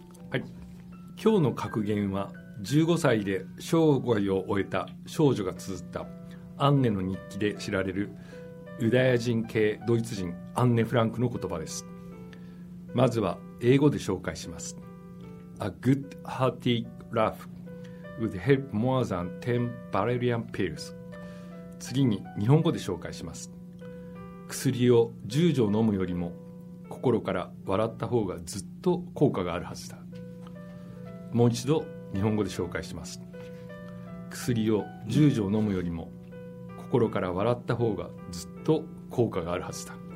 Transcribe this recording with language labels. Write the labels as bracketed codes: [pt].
[ja] はい、今日の格言は15歳で生涯を終えた少女が綴ったアンネの日記で知られるユダヤ人系ドイツ人アンネ・フランクの言葉です。まずは英語で紹介します。 [en] A good hearty laugh would help more than 10 valerian pills. [ja] 次に日本語で紹介します。薬を10錠飲むよりも心から笑った方がずっと効果があるはずだ。もう一度日本語で紹介します。薬を10錠飲むよりも心から笑った方がずっと効果があるはずだ。